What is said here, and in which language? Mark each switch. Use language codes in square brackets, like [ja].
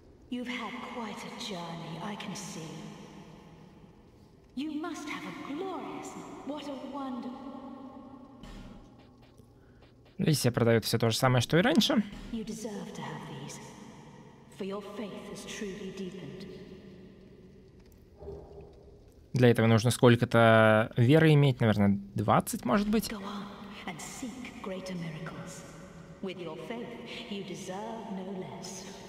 [en] You've had quite a journey, I can see. You must have a glorious... What a wonder... [ru] Лисия продает все то же самое, что и раньше. [en] You deserve to have these, for your faith has truly deepened. [ru] Для этого нужно сколько-то веры иметь, наверное, 20, может быть. [en] Go on and seek greater miracles. With your faith, you deserve no less.